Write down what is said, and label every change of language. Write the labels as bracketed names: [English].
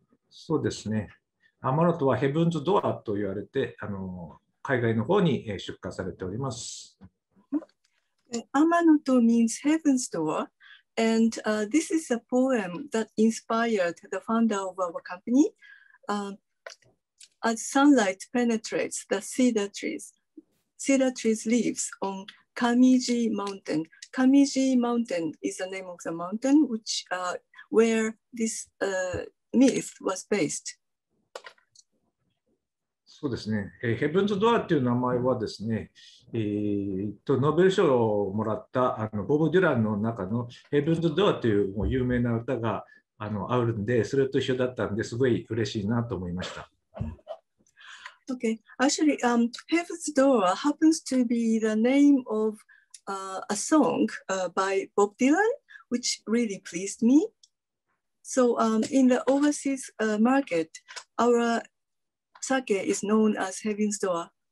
[Japanese] そうですね、天の戸はヘブンズドアと言われて、海外の方に出荷されております。 [English] 天の戸 means heaven's door. And this is a poem that inspired the founder of our company. As sunlight penetrates the cedar trees leaves on Kamiji Mountain. Kamiji Mountain is the name of the mountain where this myth was based. [Japanese] そうですね、ヘブンズドアという名前はですね、ノーベル賞をもらったボブ・デュランの中のヘブンズドアという有名な歌が あるんで、それと一緒だったんですごい嬉しいなと思いました。 [English] Okay, actually, Heaven's Door happens to be the name of a song by Bob Dylan, which really pleased me. So, in the overseas market, our Sake is known as Heaven's Door.